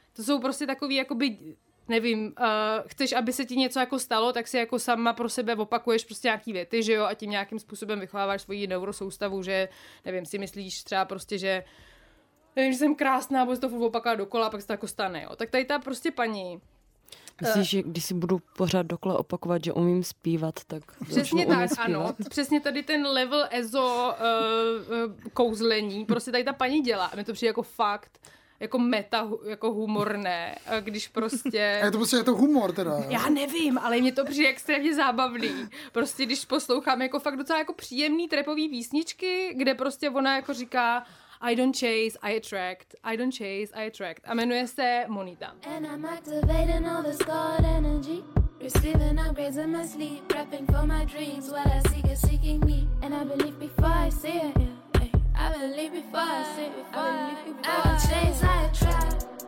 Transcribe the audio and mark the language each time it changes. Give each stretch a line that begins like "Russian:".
Czech: To jsou prostě takový, jakoby, nevím, chceš, aby se ti něco jako stalo, tak si jako sama pro sebe opakuješ prostě nějaký věty, že jo, a tím nějakým způsobem vychováváš svoji neurosoustavu, že, nevím, si myslíš třeba prostě, že nevím, že jsem krásná, bo se to opaká dokola, pak se to jako stane, jo. Tak tady ta prostě paní. Myslíš, že když si budu pořád dokola opakovat, že umím zpívat, tak... Přesně tak, ano. Přesně tady ten level EZO kouzlení. Prostě tady ta paní dělá. A mi to přijde jako fakt, jako meta, jako humorné. Když prostě... A je to prostě je to humor teda. Já nevím, ale mě to přijde extrémně zábavný. Prostě když poslouchám jako fakt docela jako příjemný trapový písničky, kde prostě ona jako říká...
English: I don't chase, I attract. I don't chase, I attract.
Czech: A jmenuje se Monita.
English: And I'm activating all the stored energy. Receiving upgrades in my sleep. Prepping for my dreams. What I seek is seeking me. And I believe before I see it. Yeah. I believe before I see it. Before. I don't chase, I attract.